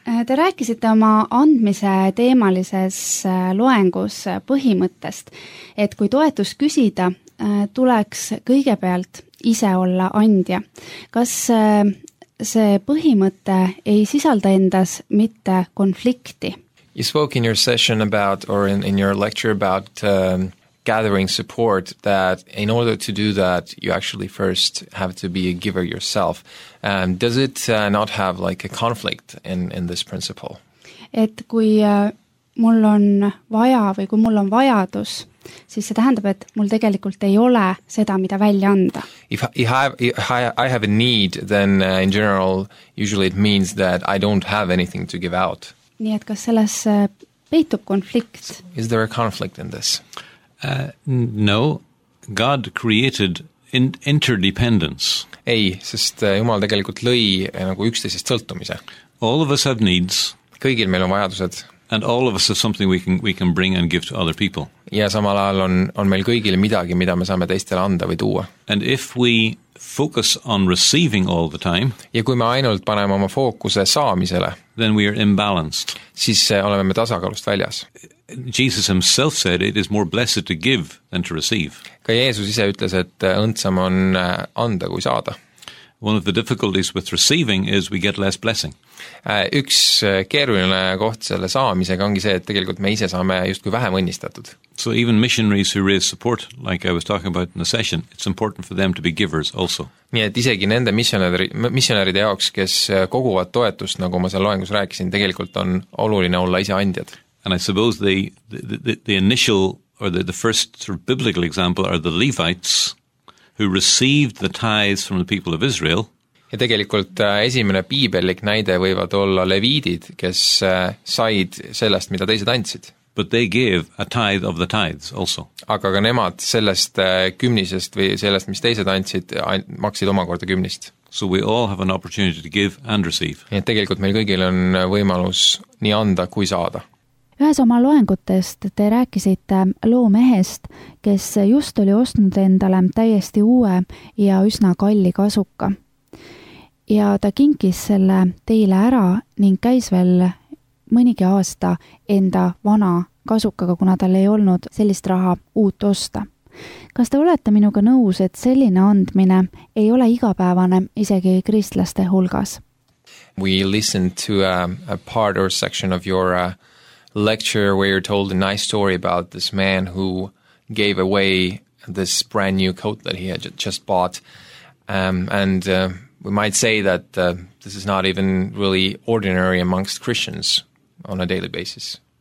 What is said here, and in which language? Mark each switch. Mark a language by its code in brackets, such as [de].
[et] Te rääkisite oma andmise teemalises loengus põhimõttest, et kui toetus küsida, tuleks kõigepealt ise olla andja. Kas see põhimõte ei sisalda endas mitte konflikti? [en] You spoke in your session about or in your lecture about gathering support that in order to do that you actually first have to be a giver yourself. Does it not have like a conflict in this principle? [et] Et kui mul on vaja või kui mul on vajadus, siis see tähendab, et mul tegelikult ei ole seda, mida välja anda. [en] If I have a need, then in general usually it means that I don't have anything to give out. [et] Nii et kas selles peitub konflikt? [en] Is there a conflict in this? No, God created interdependence. [et] Ei, sest Jumal tegelikult lõi nagu üksteisest sõltumise. [en] All of us have needs. [et] Kõigil meil on vajadused. [en] And all of us have something we can bring and give to other people. [et] Ja samal ajal on meil kõigil midagi, mida me saame teistele anda või tuua. [en] And if we focus on receiving all the time, [et] ja kui me ainult paneme oma fookuse saamisele, [en] then we are imbalanced. [et] Siis oleme me tasakaalust väljas. [en] Jesus himself said it is more blessed to give than to receive. [et] Ka Jeesus ise ütles, et õndsam on anda kui saada. [en] One of the difficulties with receiving is we get less blessing. [et] Üks keeruline koht selle saamisega ongi see, et tegelikult me ise saame just kui vähem õnnistatud. [en] So even missionaries who raise support, like I was talking about in the session, it's important for them to be givers also. [et] Nii et isegi nende missionäride jaoks, kes koguvad toetust, nagu ma seal loengus rääkisin, tegelikult on oluline olla ise andjad. [en] And I suppose the initial or the first sort of biblical example are the Levites who received the tithes from the people of Israel. [et] Ja tegelikult esimene piibellik näide võivad olla leviidid, kes said sellest, mida teised andsid. [en] But they gave a tithe of the tithes also. [et] Aga ka nemad sellest kümnisest või sellest, mis teised andsid, maksid omakorda kümnist. [en] So we all have an opportunity to give and receive. [et] Ja tegelikult meil kõigil on võimalus nii anda kui saada. Ühes oma loengutest te rääkisite loomehest, kes just oli ostnud endale täiesti uue ja üsna kalli kasuka. Ja ta kinkis selle teile ära ning käis veel mõnigi aasta enda vana kasukaga, kuna tal ei olnud sellist raha uut osta. Kas te olete minuga nõus, et selline andmine ei ole igapäevane isegi kristlaste hulgas? [en] We listened to a part or section of your lecture where you told a nice story about this man who gave away this brand new coat that he had just bought. We might say that this is not even really ordinary amongst Christians on a daily basis.